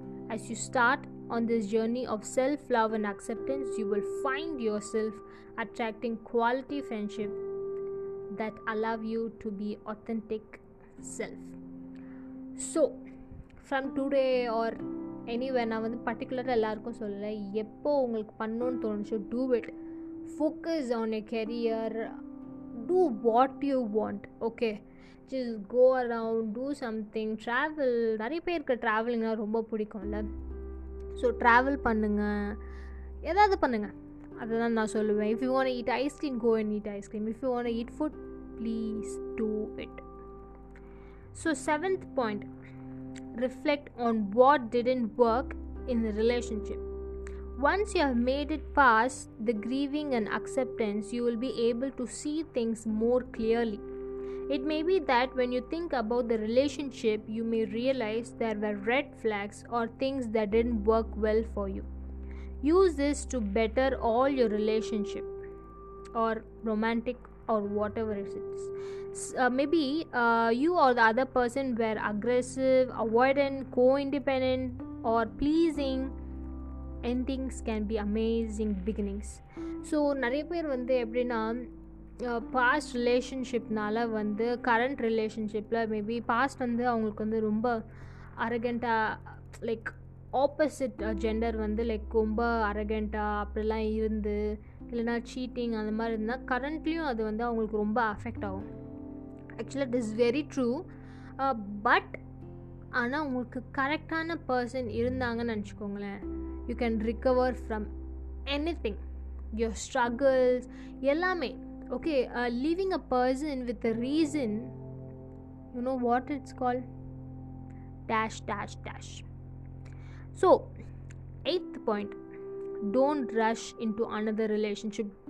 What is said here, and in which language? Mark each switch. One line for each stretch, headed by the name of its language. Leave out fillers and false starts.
English: As you start on this journey of self-love and acceptance, you will find yourself attracting quality friendship that allow you to be authentic self. So from today or anywhere, now particular
Tamil: ellarkum solla eppo ungalku pannonu thonuchu,
English: do it. Focus on your career, do what you want. Okay, just go around, do something, travel.
Tamil: நிறைய பேருக்கு ட்ராவலிங்னா ரொம்ப பிடிக்கும்ல. So travel பண்ணுங்கள், ஏதாவது பண்ணுங்கள். அதுதான் நான் சொல்லுவேன்.
English: If you want eat ice cream, go and eat ice cream. If you want eat food, please do it. So seventh point, reflect on what didn't work in the relationship. Once you have made it pass the grieving and acceptance, you will be able to see things more clearly. It may be that when you think about the relationship, you may realize there were red flags or things that didn't work well for you. Use this to better all your relationship or romantic or whatever it is. You or the other person were aggressive, avoidant, co-independent or pleasing. Endings can be amazing beginnings.
Tamil: So, நிறைய பேர் வந்து எப்படின்னா, past ரிலேஷன்ஷிப்னால வந்து current ரிலேஷன்ஷிப்பில் maybe past வந்து அவங்களுக்கு வந்து ரொம்ப அரகண்டாக, லைக் ஆப்போசிட் ஜெண்டர் வந்து லைக் ரொம்ப அரகண்டாக அப்படிலாம் இருந்து, இல்லைனா சீட்டிங் அந்த மாதிரி இருந்தால் கரண்ட்லேயும் அது வந்து அவங்களுக்கு ரொம்ப அஃபெக்ட் ஆகும். ஆக்சுவலாக
English: It is very true.
Tamil: But ஆனால் உங்களுக்கு கரெக்டான பர்சன் இருந்தாங்கன்னு நினச்சிக்கோங்களேன்,
English: you can recover from anything, your struggles, yellame. Okay, leaving a person with a reason, you know what it's called? --. So, 8th point, don't rush into another relationship.